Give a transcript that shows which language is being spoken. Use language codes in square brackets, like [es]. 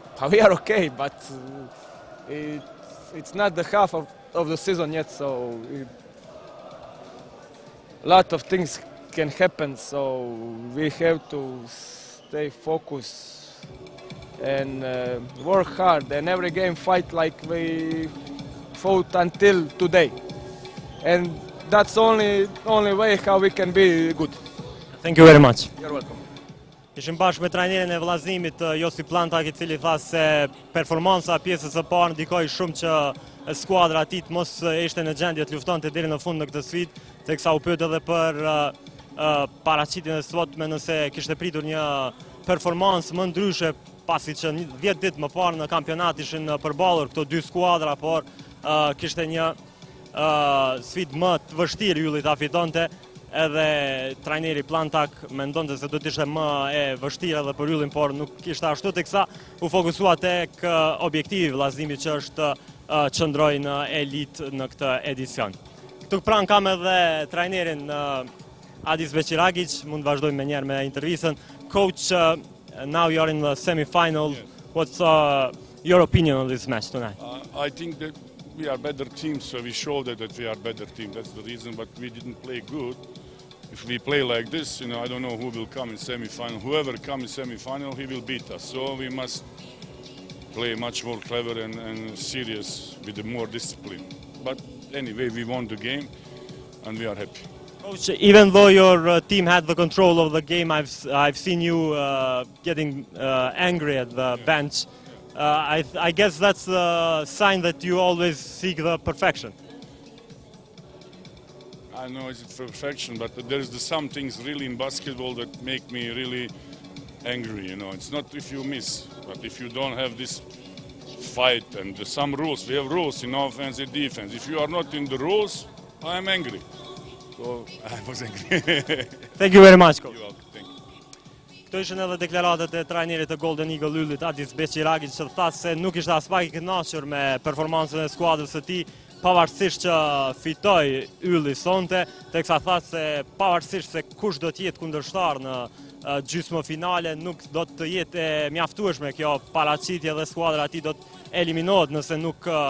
[en] We are okay, but it's not the half of the season yet, so a lot of things can happen, so we have to stay focused and work hard, and every game fight like we fought until today, and that's only way how we can be good. Thank you very much. You're welcome. [sq] Ishim bashkë me trajnerin e Vëllaznimit, Josip Plantak, i cili tha se performansa pjesës së parë ndikoi shumë që skuadra e tij mos ishte në gjendje të luftonte deri në fund në këtë sfidë, teksa u pyet edhe për paraqitjen e sot, me nëse kishte pritur një performancë më ndryshe, pasi që 10 ditë më parë në kampionat ishin përballur këto dy skuadra, por kishte një sfidë më të vështirë, Ylli ta fitonte. Edhe trajneri Plantak mendonte se do të ishte më e vështirë edhe për Yllin, por nuk ishte ashtu, teksa u fokusua tek objektivi Vëllaznimi, që është qëndroi në elitë në këtë edicion. Këtu pran kam edhe trajnerin Adis Veçiragić, mund të vazhdojmë më njëherë me intervistën. [en] Coach, now you are in the semi-final. Yes. What's your opinion on this match tonight? I think that we are better team, so we showed that we are better team. That's the reason, but we didn't play good. If we play like this, you know, I don't know who will come in semi-final. Whoever comes in semi-final, he will beat us. So we must play much more clever and serious with the more discipline. But anyway, we won the game and we are happy. Coach, even though your team had the control of the game, I've seen you getting angry at the bench. I guess that's the sign that you always seek the perfection. I know it's perfection, but there is some things really in basketball that make me really angry. You know, it's not if you miss, but if you don't have this fight and some rules. We have rules in offense and defense. If you are not in the rules, I am angry. So I was angry. Thank you very much, coach. You're welcome. [sq] Këto ishën edhe deklaratet e trajnerit të Golden Eagle Yllit, Adis Beçiragić, që tha se nuk ishte as pak i kënaqur me performansën e skuadrës së tij, pavarësisht që fitoi Ylli sonte, teksa tha se pavarësisht se kush do të jetë kundërshtar në gjysmëfinale, nuk do të jetë e mjaftueshme kjo paraqitje dhe skuadra e tij do të eliminohet nëse nuk